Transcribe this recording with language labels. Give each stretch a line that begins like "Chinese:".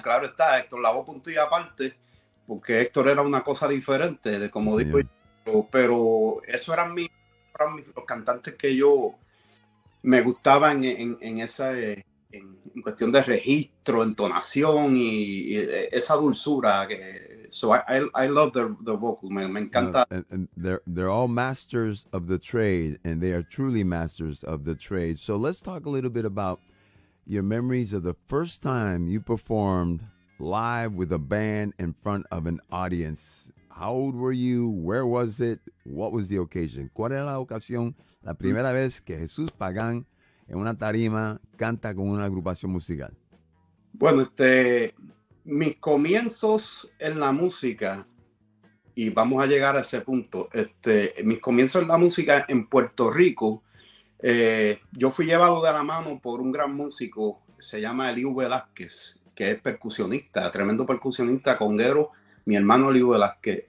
Spanish: Claro está, Héctor Lavoe, punto y aparte, porque Héctor era una cosa diferente, de como sí, digo señor. Yo. Pero esos eran los cantantes que yo me gustaba en cuestión de registro, entonación y esa dulzura. I love the vocal, me encanta.
English: They're all masters of the trade, and they are truly masters of the trade. So let's talk a little bit about your memories of the first time you performed live with a band in front of an audience. How old were you? Where was it? What was the occasion?
Spanish: ¿Cuál era la ocasión? La primera vez que Jesús Pagán en una tarima canta con una agrupación musical. Bueno, mis comienzos en la música, y vamos a llegar a ese punto, mis comienzos en la música en Puerto Rico, yo fui llevado de la mano por un gran músico, se llama Eliu Velázquez, que es percusionista, tremendo percusionista, conguero, mi hermano Eliu Velázquez.